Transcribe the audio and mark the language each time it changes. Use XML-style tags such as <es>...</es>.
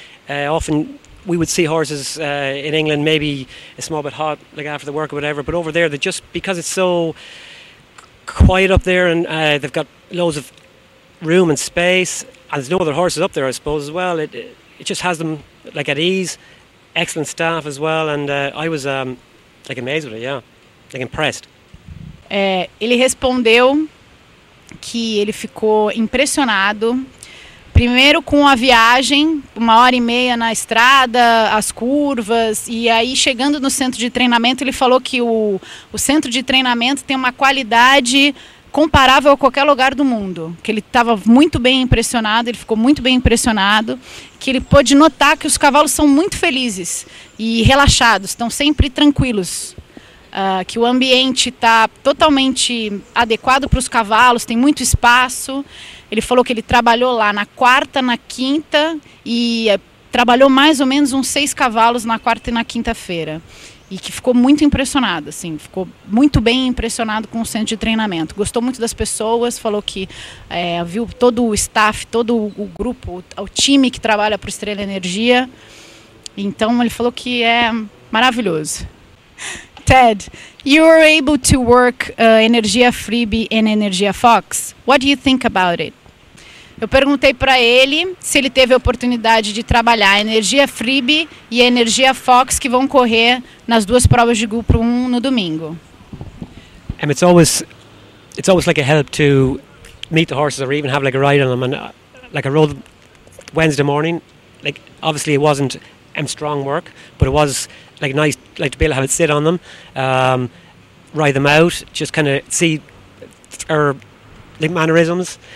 <en>Often we would see horses in England maybe a small bit hot like after the work or whatever, but over there, they just, because it's so quiet up there, and they've got loads of room and space, and there's no other horses up there, I suppose, as well. It just has them like at ease. Excellent staff as well, and I was like amazed with it, yeah, like impressed.</en> <pt>Ele respondeu que ele ficou impressionado primeiro com a viagem, uma hora e meia na estrada, as curvas, e aí chegando no centro de treinamento, ele falou que o centro de treinamento tem uma qualidade comparável a qualquer lugar do mundo, que ele estava muito bem impressionado, ele ficou muito bem impressionado, que ele pôde notar que os cavalos são muito felizes e relaxados, estão sempre tranquilos, que o ambiente está totalmente adequado para os cavalos, tem muito espaço. Ele falou que ele trabalhou lá na quarta, na quinta, e trabalhou mais ou menos uns 6 cavalos na quarta e na quinta-feira. E que ficou muito impressionado, assim, ficou muito bem impressionado com o centro de treinamento. Gostou muito das pessoas, falou que viu todo o staff, todo o grupo, o time que trabalha para o Estrela Energia. Então, ele falou que é maravilhoso.</pt> <en>Ted, you were able to work Energia Freebie and Energia Fox. What do you think about it?</en> <pt>Eu perguntei para ele se ele teve a oportunidade de trabalhar Energia Freebie e Energia Fox, que vão correr nas duas provas de Group 1 no domingo.</pt> <en>It's always like a help to meet the horses or even have like a ride on them. And like I rode Wednesday morning, like, obviously it wasn't strong work, but it was like nice, like, to be able to have it sit on them, ride them out, just kind of see her, like, mannerisms.</en>